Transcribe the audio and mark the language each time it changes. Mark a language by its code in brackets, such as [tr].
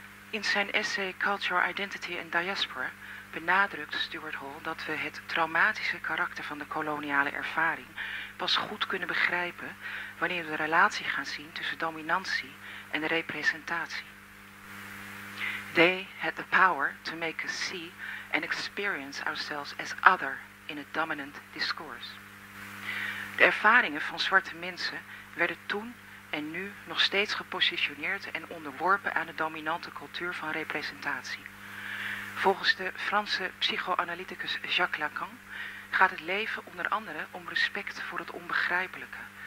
[nl] In zijn essay Cultural Identity and Diaspora benadrukt Stuart Hall dat we het traumatische karakter van de koloniale ervaring pas goed kunnen begrijpen wanneer we de relatie gaan zien tussen dominantie en de representatie. [en] They had the power to make us see and experience ourselves as other in a dominant discourse. [nl] De ervaringen van zwarte mensen werden toen en nu nog steeds gepositioneerd en onderworpen aan de dominante cultuur van representatie. Volgens de Franse psychoanalyticus Jacques Lacan gaat het leven onder andere om respect voor het onbegrijpelijke.